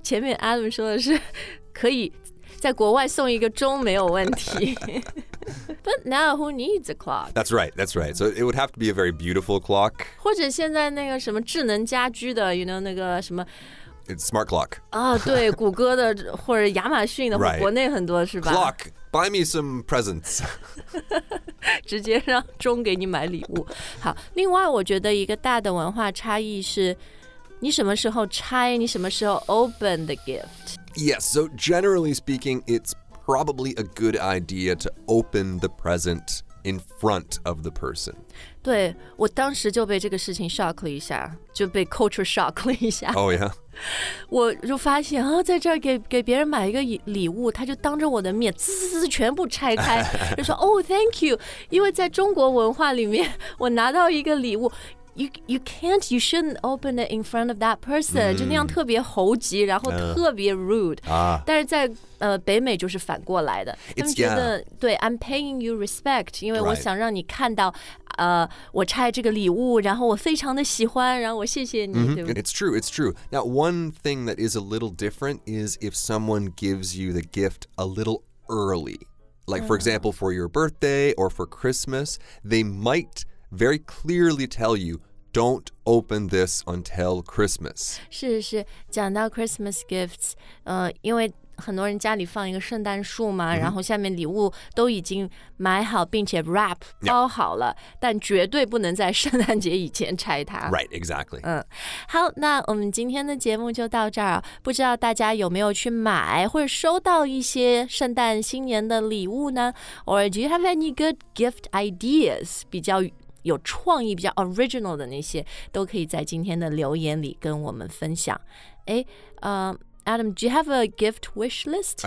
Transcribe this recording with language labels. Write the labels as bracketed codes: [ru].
[zh] 前面 Adam 说的是可以在国外送一个钟没有问题。 [en] But now, who needs a clock? That's right, that's right. So it would have to be a very beautiful clock. [zh] 或者现在那个什么智能家居的 [en] you know, [zh] 那个什么 [en] It's smart clock. [zh] 啊、oh, 对谷歌的或者亚马逊的、 [en] right. [zh] 国内很多是吧 [en] Clock, buy me some presents. [zh] 直接让钟给你买礼物。好另外我觉得一个大的文化差异是你什么时候拆你什么时候 [en] open the gift? Yes, so generally speaking, it'sprobably a good idea to open the present in front of the person. [zh] 对，我当时就被这个事情 shock 了一下，就被 culture shock 了一下。 [en] Oh yeah. [zh] 我就发现啊，在这儿给别人买一个礼物，他就当着我的面滋滋滋全部拆开，就说 [en] Oh, thank you. [zh] 因为在中国文化里面，我拿到一个礼物。 [en] You can't, you shouldn't open it in front of that person.、 [zh] 就那样特别猴急然后特别 rude.、但是在、北美就是反过来的。 [en] It's, [zh] 他们觉得、 [en] yeah. [zh] 对 [en] I'm paying you respect, [zh] 因为我想让你看到、 [en] right. [zh] 我拆这个礼物然后我非常的喜欢然后我谢谢你、 mm-hmm. 对不对 [en] It's true, it's true. Now, one thing that is a little different is if someone gives you the gift a little early. Like, for example, for your birthday or for Christmas, they might... very clearly tell you, don't open this until Christmas. [zh] 是是，讲到 Christmas gifts, 因为很多人家里放一个圣诞树嘛、mm-hmm. 然后下面礼物都已经买好并且 wrap 包好了、yeah. 但绝对不能在圣诞节以前拆它 [en] Right, exactly、 [zh] 嗯、好那我们今天的节目就到这儿不知道大家有没有去买或者收到一些圣诞新年的礼物呢 [en] Or do you have any good gift ideas [zh] 比较有创意比较 original 的那些都可以在今天的留言里跟我们分享哎 [en] Adam, do you have a gift wish list?